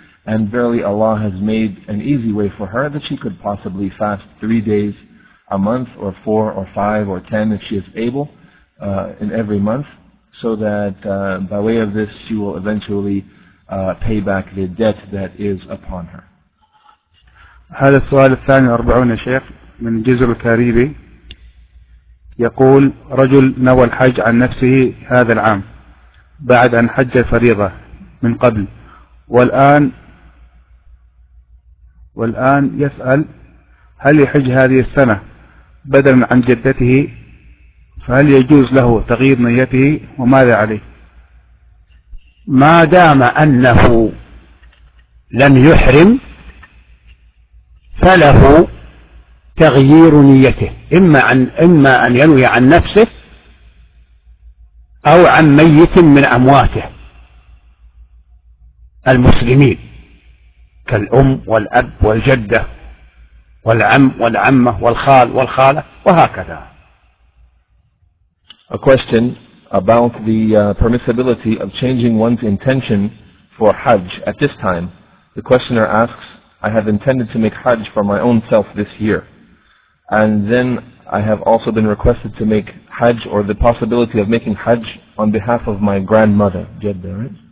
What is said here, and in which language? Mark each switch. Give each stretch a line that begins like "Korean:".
English: And verily Allah has made an easy way for her that she could possibly fast 3 days a month, or 4 or 5 or 10 if she is able, in every month, so that by way of this she will eventually pay back the debt that is upon her.
Arabic: هذا السؤال الثاني أربعون شيخ من جزر الكاريبي يقول رجل نوى الحج عن نفسه هذا العام بعد أن حج الفريضة من قبل والآن يسأل هل يحج هذه السنة بدلا عن جدته فهل يجوز له تغيير نيته وماذا عليه ما دام أنه لم يحرم فله تغيير نيته إما أن ينوي عن نفسه أو عن ميت من أمواته المسلمين كالأم والأب والجدة والعم والعمة والخال والخالة وهكذا.
English: A question about the permissibility of changing one's intention for Hajj at this time. The questioner asks, I have intended to make Hajj for my own self this year. And then I have also been requested to make Hajj, or the possibility of making Hajj, on behalf of my grandmother. Jeddah, right?